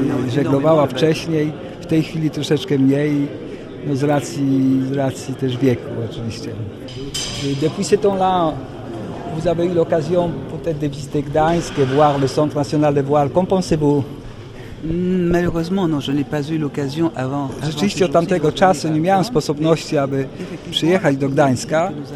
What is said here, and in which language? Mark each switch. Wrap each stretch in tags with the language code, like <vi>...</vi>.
<pl>Żeglowała wcześniej, w tej chwili troszeczkę mniej, no z racji też wieku oczywiście.</pl> <fr>Depuis ce temps-là, vous avez eu l'occasion peut-être de visiter Gdańsk, voir le Centre National de Voile. Qu'en pensez-vous? Malheureusement, non, je n'ai pas eu l'occasion avant.</fr> <pl>Rzeczywiście od tamtego czasu nie miałem sposobności, aby przyjechać do Gdańska.</pl>